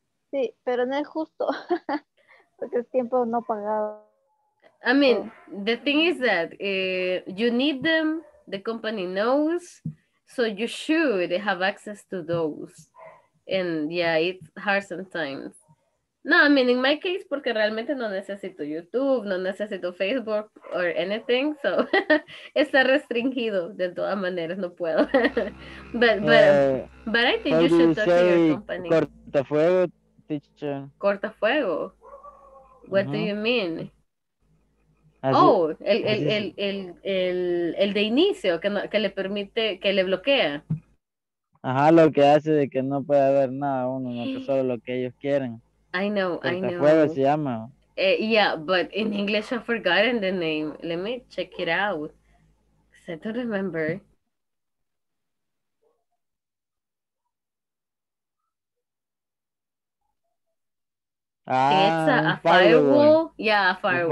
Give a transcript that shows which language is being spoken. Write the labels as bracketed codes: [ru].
[es] Sí, pero no es justo, porque el tiempo no pagado. [en] I mean, so, the thing is that you need them, the company knows, so you should have access to those. And yeah, it's hard sometimes. No, I mean, in my case, [es] porque realmente no necesito YouTube, no necesito Facebook [en] or anything, so [es] está restringido de todas maneras, no puedo. [en] but I think you should talk to your company. [es] Cortafuego, teacher. [en] Cortafuego? What do you mean? [es] Oh, el de inicio, que, no, que le permite, que le bloquea. Ajá, lo que hace de que no puede haber nada uno, no, que solo lo que ellos quieren. [en] I know, I know. [es] Cortafuego se llama. [en] Yeah, but in English I've forgotten the name. Let me check it out. I don't remember. It's a firewall. Yeah, a firewall.